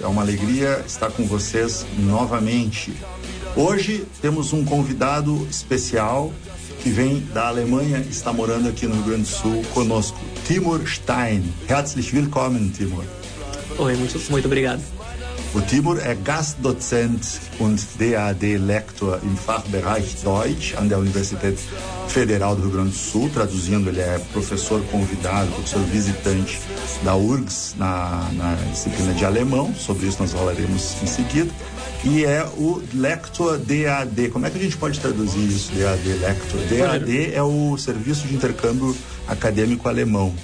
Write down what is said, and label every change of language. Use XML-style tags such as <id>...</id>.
<pt>É uma alegria estar com vocês novamente. Hoje temos um convidado especial que vem da Alemanha e está morando aqui no Rio Grande do Sul conosco, Timur Stein.</pt> <de>Herzlich willkommen, Timur.</de> <pt>Oi, muito, muito obrigado. O Timur é</pt> <de>Gastdozent und DAD-Lektor im Fachbereich Deutsch</de> <pt>an der Universität Federal do Rio Grande do Sul. Traduzindo, ele é professor convidado, professor visitante da URGS na disciplina de alemão. Sobre isso nós falaremos em seguida. E é o Lektor DAD. Como é que a gente pode traduzir isso, DAD-Lektor? DAD é o Serviço de Intercâmbio Acadêmico Alemão.</pt>